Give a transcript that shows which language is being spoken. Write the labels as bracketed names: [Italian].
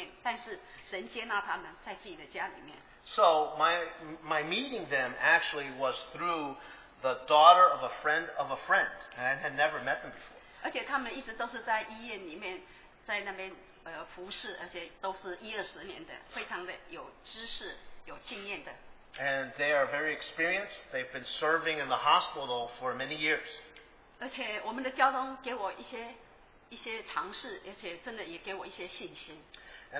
[Chinese] 因为我跟他之间的关系是透过我朋友的朋友的女儿，我从来没有见过面，但是神接纳他们在自己的家里面。 [English] So my meeting them actually was through the daughter of a friend of a friend, and I had never met them before. [Chinese] 而且他们一直都是在医院里面，在那边服侍，而且都是一二十年的，非常的有知识、有经验的。 [English] And they are very experienced. They've been serving in the hospital for many years. [Chinese] 而且我们的交通给我一些尝试，而且真的也给我一些信心。 [English] And